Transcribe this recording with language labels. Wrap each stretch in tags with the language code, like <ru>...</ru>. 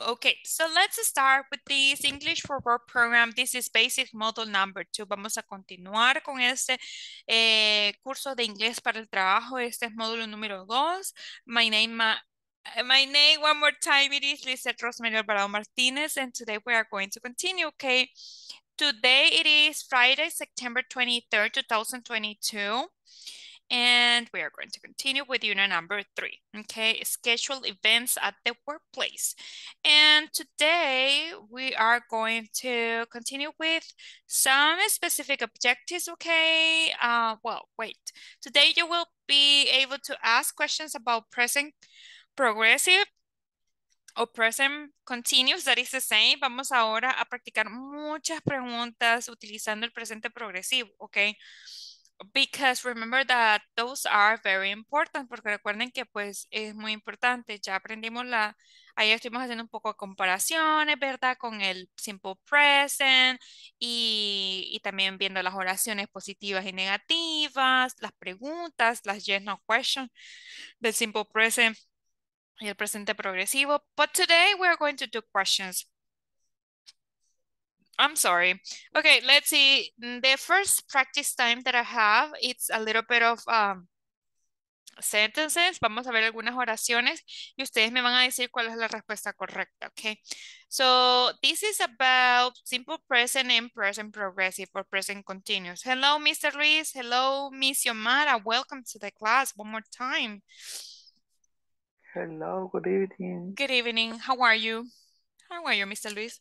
<en>Okay, so let's start with this English for Work program. This is basic module number 2.</en> <es>Vamos a continuar con este curso de inglés para el trabajo. Este es módulo número 2.</es> <en>My name, one more time, it is Lizeth Rosemary Alvarado Martinez, and today we are going to continue, okay? Today it is Friday, September 23rd, 2022. And we are going to continue with unit number 3, okay? Schedule events at the workplace. And today we are going to continue with some specific objectives, okay? Today you will be able to ask questions about present progressive o present continuous, that is the same.</en> <es>Vamos ahora a practicar muchas preguntas utilizando el presente progresivo, okay?</es> <en>because remember that those are very important,</en> <es>porque recuerden que pues es muy importante, ya aprendimos la, ahí estuvimos haciendo un poco de comparaciones, ¿verdad? Con el simple present y también viendo las oraciones positivas y negativas, las preguntas, las yes no questions del simple present y el presente progresivo.</es> <en>But today we're going to do questions. I'm sorry. Okay, let's see. The first practice time that I have, it's a little bit of sentences.</en> <es>Vamos a ver algunas oraciones y ustedes me van a decir cuál es la respuesta correcta, okay?</es> <en>So, this is about simple present and present progressive or present continuous. Hello, Mr. Luis. Hello, Miss Yomara. Welcome to the class one more time. Hello, good evening. Good evening. How are you? How are you, Mr. Luis?</en>